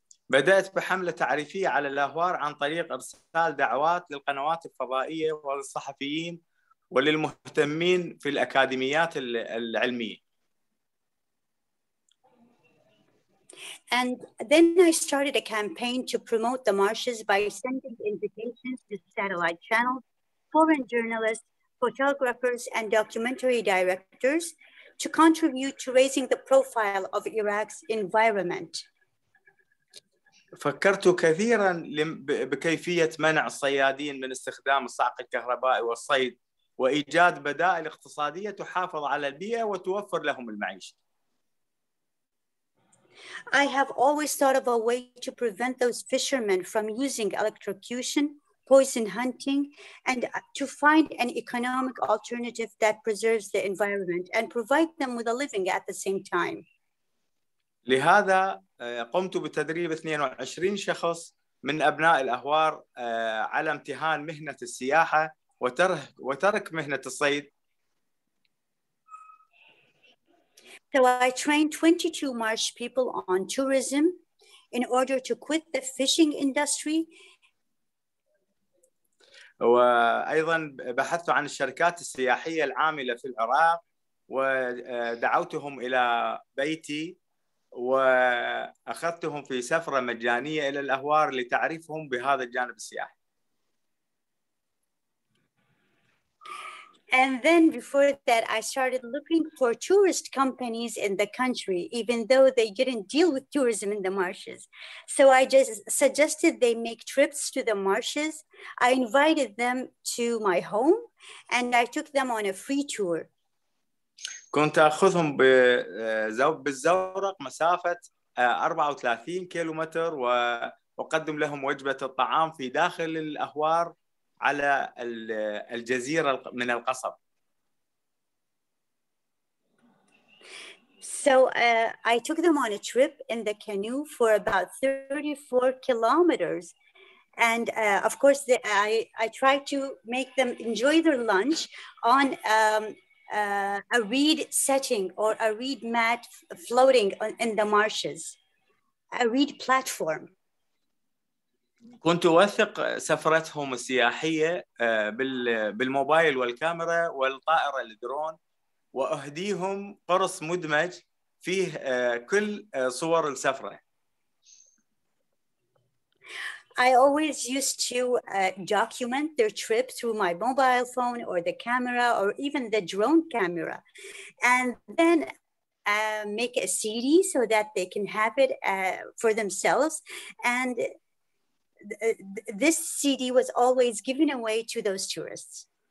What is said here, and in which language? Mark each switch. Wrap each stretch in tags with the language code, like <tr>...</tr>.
<ar>بدأت بحملة تعريفية على الأهوار عن طريق إرسال دعوات للقنوات الفضائية والصحفيين وللمهتمين في الأكاديميات العلمية.</ar> <en>And then I started a campaign to promote the marshes by sending invitations to satellite channels, foreign journalists, photographers and documentary directors to contribute to raising the profile of Iraq's environment.</en> <ar>فكرت كثيرا بكيفية منع الصيادين من استخدام الصعق الكهربائي والصيد وإيجاد بدائل اقتصادية تحافظ على البيئة وتوفر لهم المعيشة.</ar> <en>I have always thought of a way to prevent those fishermen from using electrocution, poison hunting, and to find an economic alternative that preserves the environment and provide them with a living at the same time.</en> <ar>لهذا قمت بتدريب 22 شخص من أبناء الأهوار على امتهان مهنة السياحة وترك مهنة الصيد.</ar> <en>So I trained 22 marsh people on tourism in order to quit the fishing industry.</en> <ar>وأيضا بحثت عن الشركات السياحية العاملة في العراق ودعوتهم إلى بيتي وأخذتهم في سفرة مجانية إلى الأهوار لتعريفهم بهذا الجانب السياحي.</ar> <en>And then before that, I started looking for tourist companies in the country, even though they didn't deal with tourism in the marshes. So I just suggested they make trips to the marshes. I invited them to my home and I took them on a free tour.</en> <ar>كنت أخذهم بالزورق مسافة 34 كيلومتر وأقدم لهم وجبة الطعام في داخل الأهوار على الجزيرة من القصب.</ar> <en>So I took them on a trip in the canoe for about 34 kilometers. And of course, I tried to make them enjoy their lunch on a reed setting or a reed mat floating in the marshes, a reed platform.</en> <ar>كنت أوثق سفرتهم السياحية بالموبايل والكاميرا والطائرة الدرون وأهديهم قرص مدمج فيه كل صور السفرة.</ar> <en>I always used to document their trip through my mobile phone or the camera or even the drone camera and then make a CD so that they can have it for themselves and this CD was always given away to those tourists.</en>